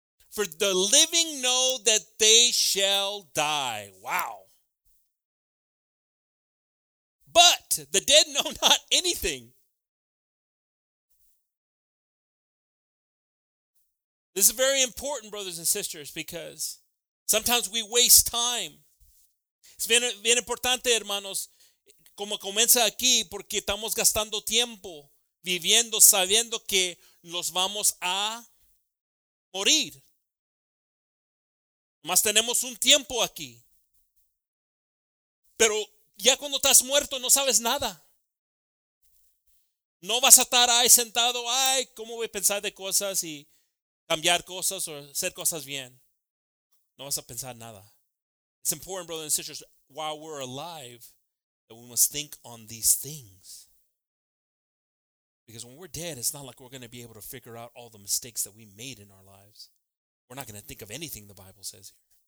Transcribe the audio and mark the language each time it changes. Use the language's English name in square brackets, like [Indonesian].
[English] For the living know that they shall die. Wow. But the dead know not anything. This is very important, brothers and sisters, because sometimes we waste time. [Spanish] Es bien, bien importante, hermanos, como comienza aquí, porque estamos gastando tiempo viviendo, sabiendo que nos vamos a morir. Más tenemos un tiempo aquí. Pero ya cuando estás muerto, no sabes nada. No vas a estar ahí sentado, ay, ¿cómo voy a pensar de cosas y cambiar cosas o hacer cosas bien? No vas a pensar nada. [English] It's important, brothers and sisters, while we're alive, that we must think on these things. Because when we're dead, it's not like we're going to be able to figure out all the mistakes that we made in our lives. We're not going to think of anything the Bible says here.